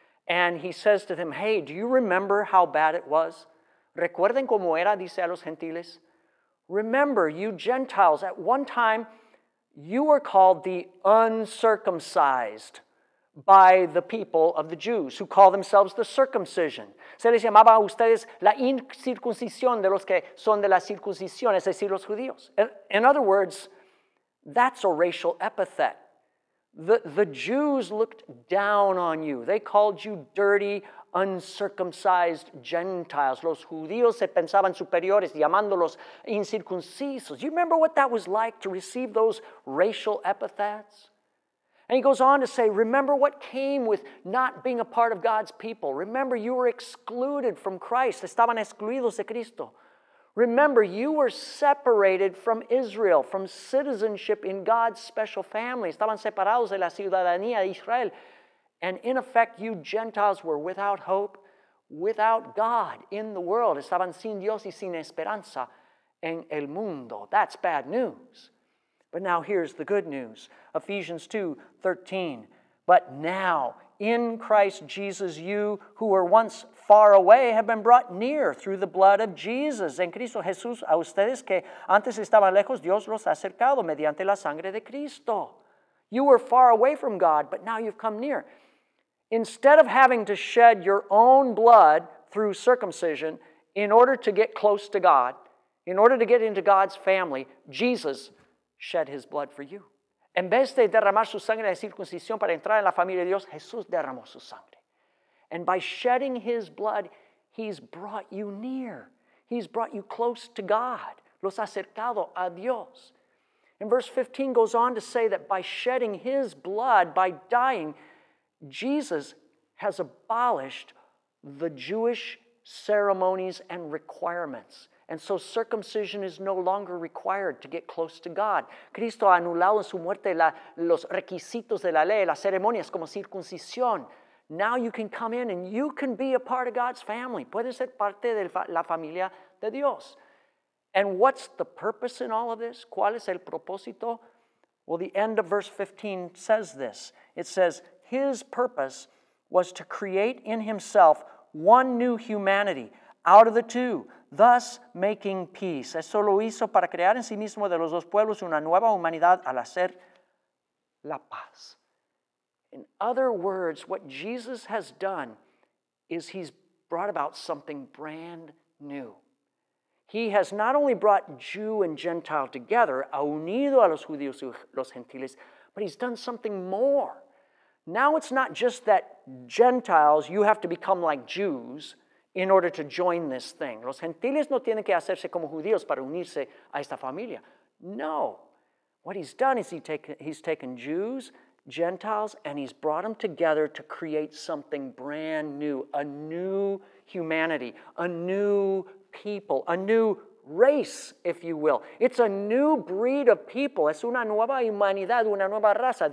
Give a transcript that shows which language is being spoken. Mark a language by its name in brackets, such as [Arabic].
[English] And he says to them, hey, do you remember how bad it was? [Spanish] ¿Recuerden cómo era? Dice a los gentiles. [English] Remember, you Gentiles, at one time, you were called the uncircumcised by the people of the Jews, who call themselves the circumcision. [Spanish] Se les llamaba a ustedes la incircuncisión de los que son de la circuncisión, es decir, los judíos. [English] In other words, that's a racial epithet. The Jews looked down on you. They called you dirty, uncircumcised Gentiles. [Spanish] Los judíos se pensaban superiores, llamándolos incircuncisos. [English] You remember what that was like to receive those racial epithets? And he goes on to say, remember what came with not being a part of God's people. Remember, you were excluded from Christ. [Spanish] Estaban excluidos de Cristo. [English] Remember, you were separated from Israel, from citizenship in God's special family. [Spanish] Estaban separados de la ciudadanía de Israel. [English] And in effect, you Gentiles were without hope, without God in the world. [Spanish] Estaban sin Dios y sin esperanza en el mundo. [English] That's bad news. But now here's the good news. Ephesians 2, 13. But now, in Christ Jesus, you who were once far away have been brought near through the blood of Jesus. [Spanish] En Cristo Jesús, a ustedes que antes estaban lejos, Dios los ha acercado mediante la sangre de Cristo. [English] You were far away from God, but now you've come near. Instead of having to shed your own blood through circumcision in order to get close to God, in order to get into God's family, Jesus shed his blood for you. [Spanish] En vez de derramar su sangre de circuncisión para entrar en la familia de Dios, Jesús derramó su sangre. [English] And by shedding his blood, he's brought you near. He's brought you close to God. [Spanish] Los ha acercado a Dios. [English] And verse 15 goes on to say that by shedding his blood, by dying, Jesus has abolished the Jewish ceremonies and requirements. And so circumcision is no longer required to get close to God. [Spanish] Cristo ha anulado en su muerte los requisitos de la ley, las ceremonias como circuncisión. [English] Now you can come in and you can be a part of God's family. [Spanish] Puedes ser parte de la familia de Dios. [English] And what's the purpose in all of this? [Spanish] ¿Cuál es el propósito? [English] Well, the end of verse 15 says this. It says, his purpose was to create in himself one new humanity out of the two, thus making peace. [Spanish] Eso lo hizo para crear en sí mismo de los dos pueblos una nueva humanidad al hacer la paz. [English] In other words, what Jesus has done is he's brought about something brand new. He has not only brought Jew and Gentile together, [Spanish] ha unido a los judíos y los gentiles, [English] but he's done something more. Now it's not just that Gentiles, you have to become like Jews in order to join this thing. [Spanish] Los gentiles no tienen que hacerse como judíos para unirse a esta familia. [English] No. What he's done is he's taken Jews, Gentiles, and he's brought them together to create something brand new, a new humanity, a new people, a new race, if you will. It's a new breed of people. [Spanish] Es una nueva humanidad, una nueva raza.